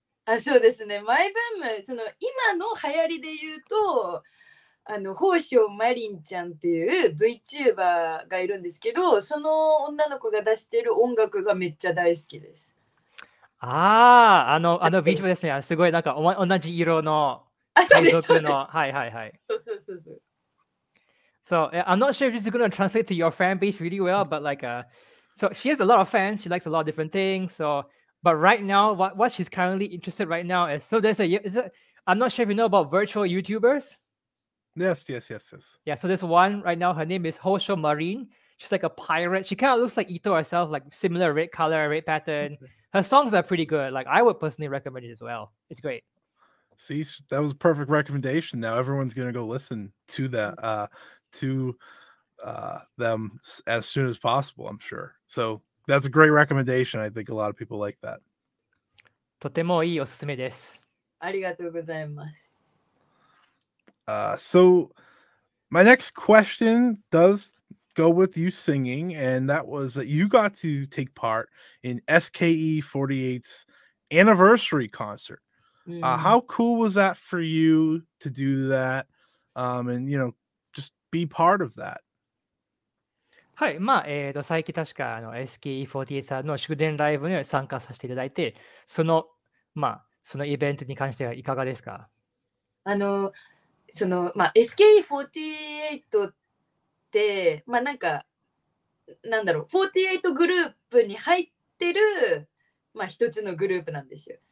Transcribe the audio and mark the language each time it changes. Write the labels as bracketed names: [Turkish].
[Japanese] あ、そうですね、マイブーム、その今の流行りで言うと、あの宝生マリンちゃんっていう VTuber がいるんですけど、その女の子が出してる音楽がめっちゃ大好きです。ああ、あの VTuber ですね。すごいなんか同じ色の海賊の、はいはいはい、そう。 [English] I'm not sure if this is going to translate to your fan base really well, but like, so she has a lot of fans, she likes a lot of different things, soBut right now, what she's currently interested right now is, so there's I'm not sure if you know about virtual YouTubers. Yes. Yeah, so there's one right now, her name is Hosho Marine. She's like a pirate. She kind of looks like Itoh herself, like similar red color, red pattern. Her songs are pretty good. Like, I would personally recommend it as well. It's great. See, that was a perfect recommendation. Now everyone's going to go listen to that, them as soon as possible, I'm sure. So... That's a great recommendation. I think a lot of people like that. [Japanese] とてもいいおすすめです。ありがとうございます。 [English] So, my next question does go with you singing, and that was that you got to take part in SKE48's anniversary concert. How cool was that for you to do that? And, you know, just be part of that. [Japanese] はい、まあ最近確かあの SKE48 さんの祝電ライブに参加させていただいて、そのまあそのイベントに関してはいかがですか？あのそのまあ SKE48 ってまあなんかなんだろう、48グループに入ってるまあ一つのグループなんですよ。